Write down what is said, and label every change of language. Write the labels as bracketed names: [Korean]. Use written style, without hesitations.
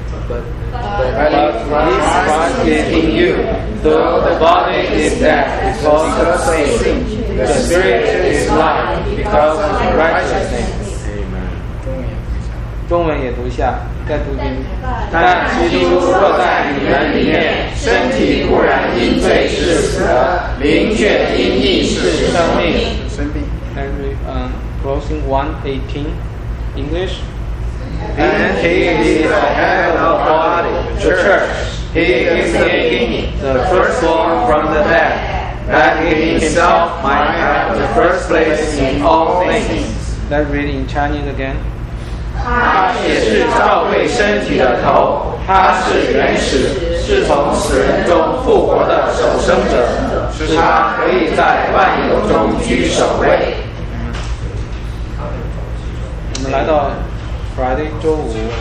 [English] But Christ is in you, though the body is death because of sin, the spirit is life because of righteousness. Amen. [Chinese] 中文也读一下，再读一遍。但基督若在你们里面，身体固然因罪是死的，灵却因义是生命。 [English] Closing 1:18, English. And he is the head of the body, the church. He is the beginning, the firstborn from the dead, that he himself might have the first place in all things. Let's read in Chinese again. [Chinese] 他也是教会身体的头，他是原始，是从死人中复活的首生者，使他可以在万有中居首位。我们来到Friday 周五，